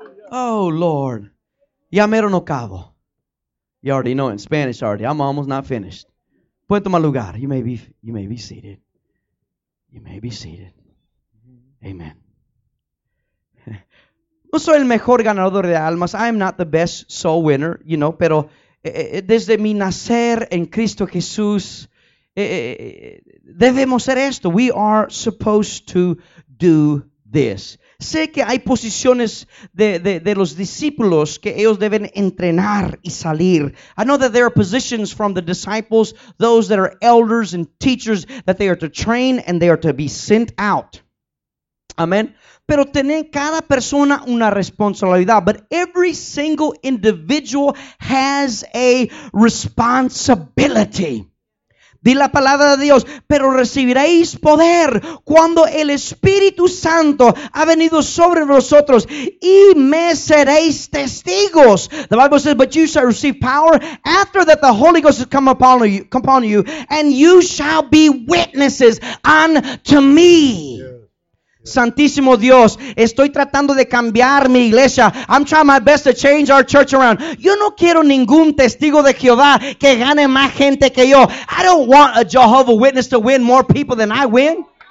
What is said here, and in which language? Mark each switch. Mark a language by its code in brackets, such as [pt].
[en] Oh, Lord. [es] Ya mero no cabo. [en] You already know in Spanish already. I'm almost not finished. [es] Puente mal lugar. [en] You may be seated. You may be seated. Amen. [es] No soy el mejor ganador de almas. [en] I am not the best soul winner, you know. [es] Pero desde mi nacer en Cristo Jesús, debemos hacer esto. [en] We are supposed to do this. [es] Sé que hay posiciones de los discípulos que ellos deben entrenar y salir. [en] I know that there are positions from the disciples, those that are elders and teachers, that they are to train and they are to be sent out. [es] Amen. Pero tiene cada persona una responsabilidad. [en] But every single individual has a responsibility. [es] Di la palabra de Dios, pero recibiréis poder cuando el Espíritu Santo ha venido sobre vosotros y me seréis testigos. [en] The Bible says, but you shall receive power after that the Holy Ghost has come upon you, and you shall be witnesses unto me. Yeah. [es] Santísimo Dios, estoy tratando de cambiar mi iglesia. [en] I'm trying my best to change our church around. [es] Yo no quiero ningún testigo de Jehová que gane más gente que yo. [en] I don't want a Jehovah Witness to win more people than I win.